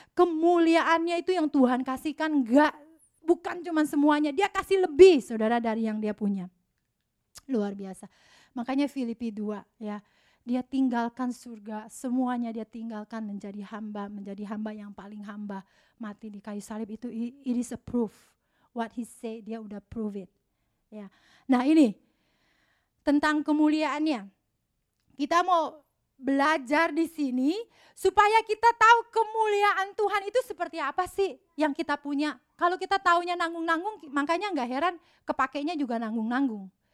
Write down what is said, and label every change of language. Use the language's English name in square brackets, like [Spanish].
[Indonesian] Kemuliaannya itu yang Tuhan kasihkan enggak bukan cuma semuanya. Dia kasih lebih saudara dari yang dia punya. Luar biasa. Makanya Filipi 2 ya. Dia tinggalkan surga, semuanya dia tinggalkan menjadi hamba yang paling hamba, mati di kayu salib itu, [English] it is a proof. What he say, [Indonesian] dia udah [English] prove it. [Indonesian] Ya. Nah ini, tentang kemuliaannya. Kita mau belajar di sini, supaya kita tahu kemuliaan Tuhan itu seperti apa sih yang kita punya. Kalau kita taunya nanggung-nanggung, makanya enggak heran, kepakainya juga nanggung-nanggung.